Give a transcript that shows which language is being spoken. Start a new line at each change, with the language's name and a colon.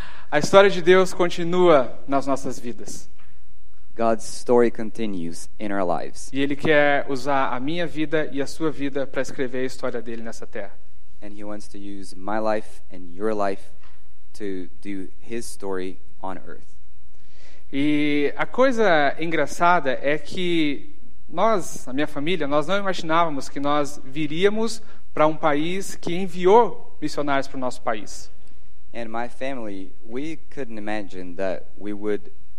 Portuguese: A história de Deus continua nas nossas vidas.
English: God's story continues in our lives.
Portuguese: E ele quer usar a minha vida e a sua vida para escrever a história dele nessa terra.
English: And he wants to use my life and your life to do his story on earth.
Portuguese: E a coisa engraçada é que nós, a minha família, nós não imaginávamos que nós viríamos para um país que enviou missionários para o nosso país.
English: And my family, we couldn't imagine that we would